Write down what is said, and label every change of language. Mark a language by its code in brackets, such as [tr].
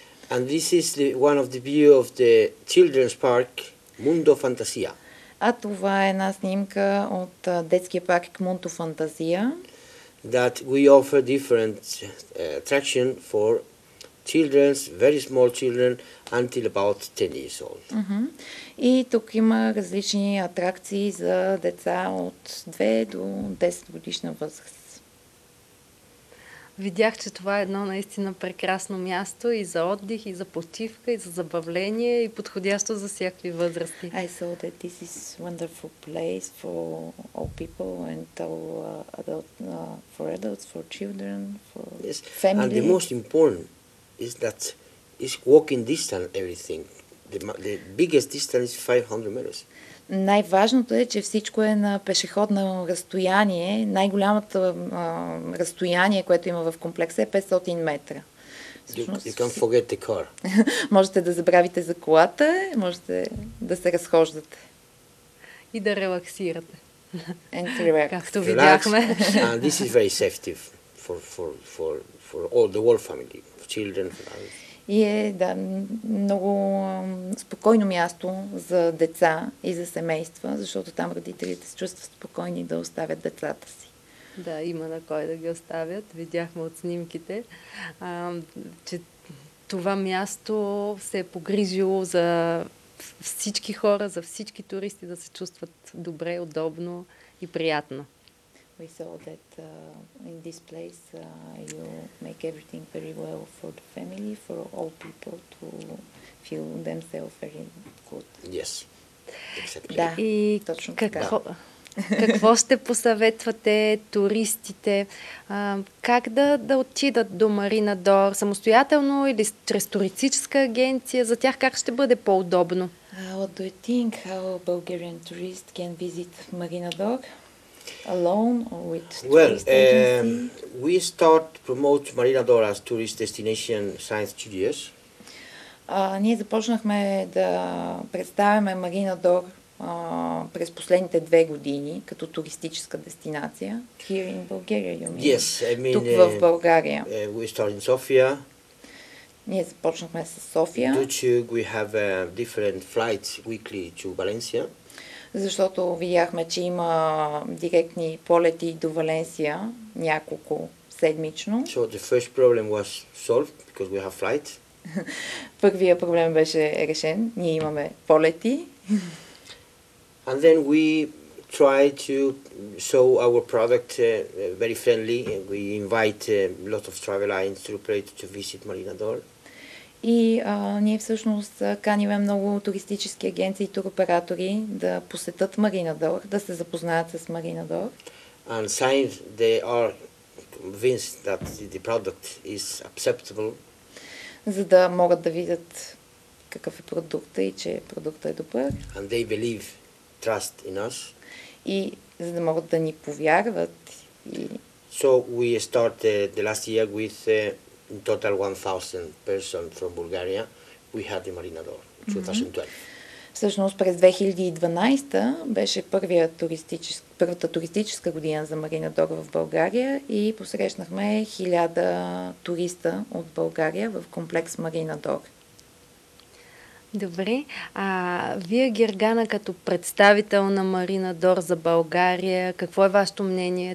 [en] And this is the, one of the view of the children's park Mundo Fantasia. [bg] А това е една снимка от детския парк Mundo Fantasia. [en] That we offer different attraction for children, very small children, until about 10 years old. [bg] И тук има различни атракции за деца от 2 до 10 годишна възраст. Видях, че това е едно наистина прекрасно място и за отдих, и за почивка, и за забавление, и подходящо за всякакви възрасти. [en] I saw that this is wonderful place for all people and all adults, for children, for yes. Family. And the most important is that it's walking distance everything. The biggest distance is 500 meters. [bg] Най-важното е, че всичко е на пешеходно разстояние. Най-голямото разстояние, което има в комплекса, е 500 метра. [en] You can forget the car. [bg] Можете да забравите за колата, можете да се разхождате. И да релаксирате. [en] And to relax. [bg] Както видяхме. [en] And this is very safety for all the whole family. Children. [bg] И е, да, много спокойно място за деца и за семейства, защото там родителите се чувстват спокойни да оставят децата си. Да, има на кой да ги оставят. Видяхме от снимките, че това място се е погрижило за всички хора, за всички туристи да се чувстват добре, удобно и приятно. [en] We saw that in this place you make everything very well for the family, for all people to feel themselves very good. Yes. [bg] Да. И точно какво, да. Какво сте посъветвате туристите? Как да отидат до Marina d'Or? Самостоятелно или чрез туристическа агенция? За тях как ще бъде по-удобно? [en] What do you think? How a Bulgarian tourist can visit Marina d'Or? Alone or with tourist well, agency? We start promote Marina d'Or as tourist destination since 2 years. [bg] Ние започнахме да представяме Marina d'Or през последните 2 години като туристическа дестинация. [en] Here in Bulgaria, you mean? Yes, I mean, [bg] тук в България. [en] We start in Sofia. [bg] Ние започнахме с София. [en] Due to we have different flights weekly to Valencia. [bg] Защото видяхме, че има директни полети до Валенсия няколко седмично. [en] So the first problem was solved because we have flight. [bg] Първия проблем беше решен. Ние имаме полети. [en] And then we try to show our product very friendly. We invite a lot of travel agents to operate to visit Marina d'Or. [bg] И ние всъщност каниме много туристически агенции и туроператори да посетят Marina d'Or, да се запознаят с Marina d'Or. [en] And since they are convinced that the product is acceptable, [bg] за да могат да видят какъв е продукта и че продукта е добър. [en] And they believe, trust in us. [bg] И за да могат да ни повярват. И... So we start the last year with in total 1,000 person from Bulgaria, we had the Marina d'Or 2012. Всъщност през 2012 беше първата туристическа година за Marina d'Or в България и посрещнахме 1000 туриста от България в комплекс Marina d'Or. Добре. А вие, Гергана, като представител на Марина Дор за България, какво е вашето мнение?